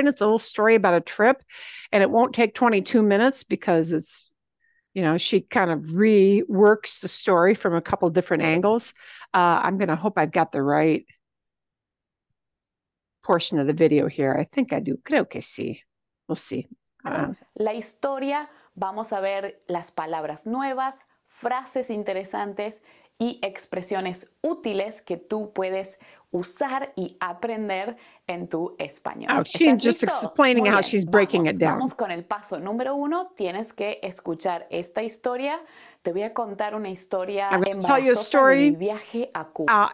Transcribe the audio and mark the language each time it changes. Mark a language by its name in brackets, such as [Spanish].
[English] And it's a little story about a trip, and it won't take 22 minutes because it's, you know, she kind of reworks the story from a couple different angles. I'm going to hope I've got the right portion of the video here. I think I do. [Spanish] Creo que sí. [English] We'll see. [Spanish] La historia, vamos a ver las palabras nuevas, frases interesantes y expresiones útiles que tú puedes usar y aprender en tu español. [English] Oh, she's just explaining how she's breaking it down. [Spanish] Vamos con el paso número uno. Tienes que escuchar esta historia. Te voy a contar una historia embarazosa de mi viaje a Cuba.